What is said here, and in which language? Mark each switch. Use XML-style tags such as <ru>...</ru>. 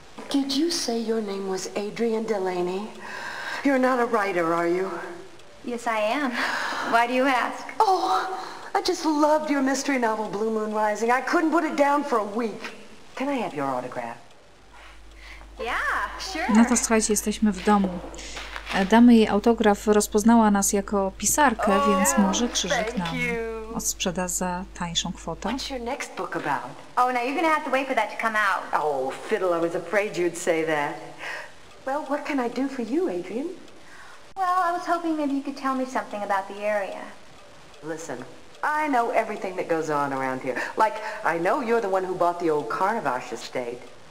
<en>Did you say your name was Adrienne Delaney? You're not a writer, are you? Yes, I am. Why do you ask? Oh, I just loved your mystery novel, Blue Moon Rising. I couldn't put it down for a week. Can I have your autograph? Yeah, sure.</en> <pl>No to słuchajcie, jesteśmy w domu. Damy jej autograf, rozpoznała nas jako pisarkę, oh, więc może krzyżyk nam odsprzeda za tańszą kwotę.</pl> <en>What's your next book about? Oh, now you're gonna have to wait for that to come out. Oh, fiddle, I was afraid you'd say that. Well, what can I do for you, Adrienne? Well, I was hoping maybe you could tell me something about the area. Listen, I know everything that goes on around here. Like, I know you're the one who bought the old Carnavash estate.</en>